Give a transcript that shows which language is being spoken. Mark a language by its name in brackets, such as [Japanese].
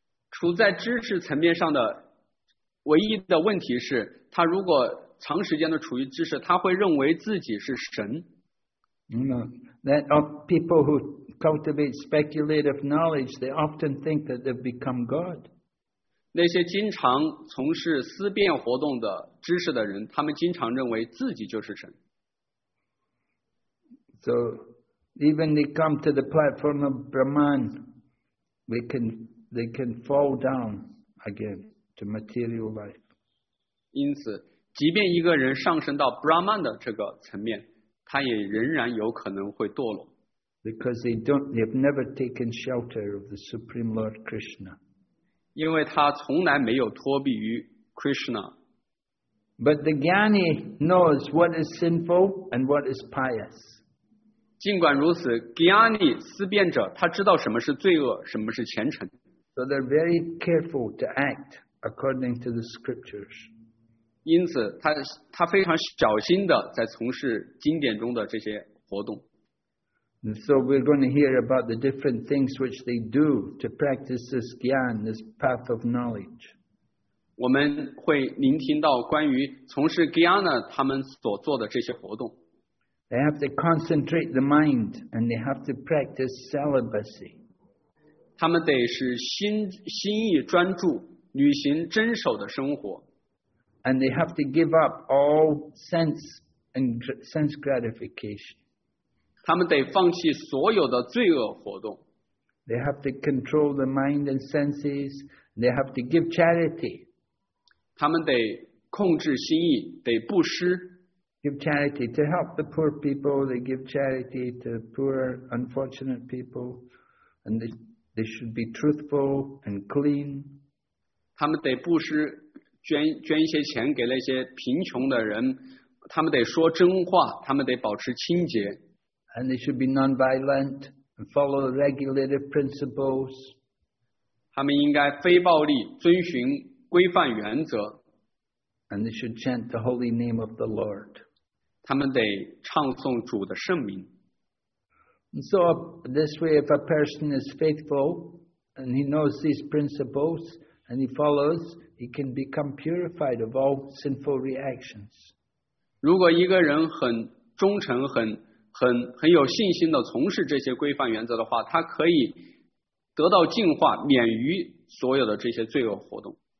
[Chinese] 处在知识层面上的唯一的问题是，他如果长时间的处于知识，他会认为自己是神。 [English] That of people who cultivate speculative knowledge, they often think that they've become God. [Chinese] 那些经常从事思辨活动的知识的人，他们经常认为自己就是神。 [English] So, even they come to the platform of Brahman, they can fall down again to material life. [Chinese] 因此，即便一个人上升到 Brahman 的这个层面，他也仍然有可能会堕落。 [English] Because they have never taken shelter of the Supreme Lord Krishna. [Chinese] 因为他从来没有脱避于 Krishna. [English] But the Gyani knows what is sinful and what is pious. [Chinese] 尽管如此 ，Gyani 思辨者他知道什么是罪恶，什么是虔诚。 [English] So they're very careful to act according to the scriptures. [Chinese] 因此他非常小心的在从事经典中的这些活动。 [English] And so we're going to hear about the different things which they do to practice this gyan, this path of knowledge. [Chinese] 我们会聆听到关于从事 gyan 他们所做的这些活动。 [English] They have to concentrate the mind and they have to practice celibacy. [Chinese] 他们得是心意专注，履行真守的生活。 [English] And they have to give up all sense gratification. [Chinese] 他们得放弃所有的罪恶活动。 [English] They have to control the mind and senses. They have to give charity. [Chinese] 他们得控制心意，得布施。 [English] Give charity to help the poor people. They give charity to poor, unfortunate people. And they They should be truthful and clean. [Chinese] 他们得布施，捐一些钱给那些贫穷的人。他们得说真话，他们得保持清洁。 [English] And they should be non-violent and follow the regulative principles. [Chinese] 他们应该非暴力，遵循规范原则。 [English] And they should chant the holy name of the Lord. [Chinese] 他们得唱诵主的圣名。 [English] And so this way, if a person is faithful and he knows these principles and he follows, he can become purified of all sinful reactions. [Chinese] 如果一个人很忠诚，很有信心地从事这些规范原则的话，他可以得到净化，免于所有的这些罪恶活动。